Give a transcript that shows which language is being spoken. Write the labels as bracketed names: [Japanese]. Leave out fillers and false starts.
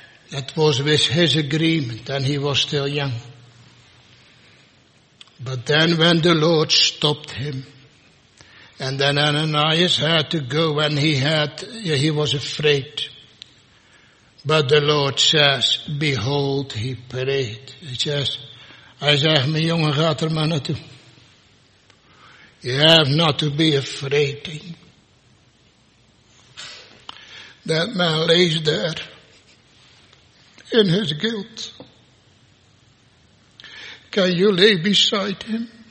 [English] That was with his agreement, and he was still young. But then when the Lord stopped him, and then Ananias had to go when he was afraid. But the Lord says, behold, he prayed. [Dutch] He says, [English] I [Dutch] zeg, mijn jongen, gaat er maar naartoe. [English] You have not to be afraid. That man lays there in his guilt. Can you lay beside him?